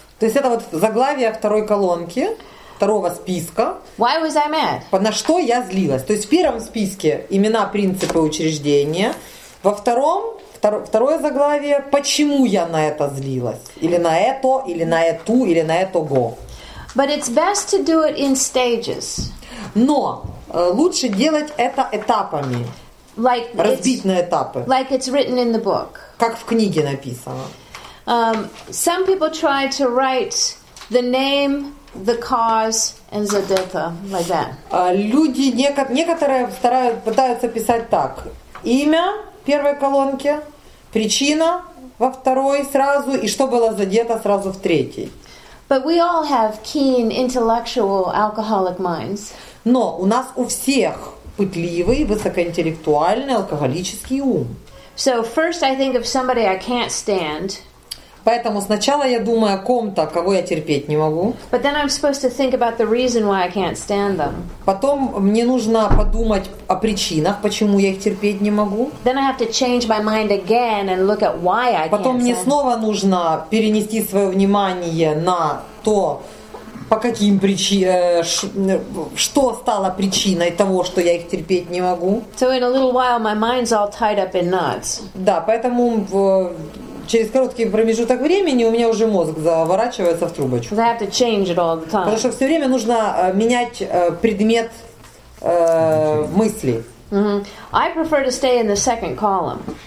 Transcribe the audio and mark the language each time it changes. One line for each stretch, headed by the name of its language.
Russian: То есть это вот заглавие второй колонки. Второго списка.
English: Why was I mad?
Russian: На что я злилась? То есть в первом списке имена, принципы, учреждения. Во втором, второе заглавие, почему я на это злилась? Или на это, или на эту, или на этого.
English: But it's best to do it in stages.
Russian: Но лучше делать это этапами. Like разбить на этапы.
English: Like it's written in the book.
Russian: Как в книге написано.
English: Some people try to write the name... The cause and the data, like that.
Russian: Люди некоторые пытаются писать так: имя в первой колонке, причина во второй сразу и что было задето сразу в третьей.
English: But we all have keen intellectual alcoholic minds.
Russian: Но у нас у всех пытливый, высокоинтеллектуальный, алкоголический ум.
English: So first I think of somebody I can't stand.
Russian: Поэтому сначала я думаю о ком-то, кого я терпеть не могу.
English: But then I'm supposed to think about the reason why I can't stand them.
Russian: Потом мне нужно подумать о причинах, почему я их терпеть не могу.
English: Then I have to change my mind again and look at why I can't stand.
Russian: Потом мне снова нужно перенести свое внимание на то, по каким причинам, что стало причиной того, что я их терпеть не могу.
English: So in a little while my mind's all tied up in knots.
Russian: Да, поэтому через короткий промежуток времени у меня уже мозг заворачивается в трубочку.
English: Because I have to change it all the time.
Russian: Потому что все время нужно менять предмет мысли. Mm-hmm.
English: I prefer to stay in the second column.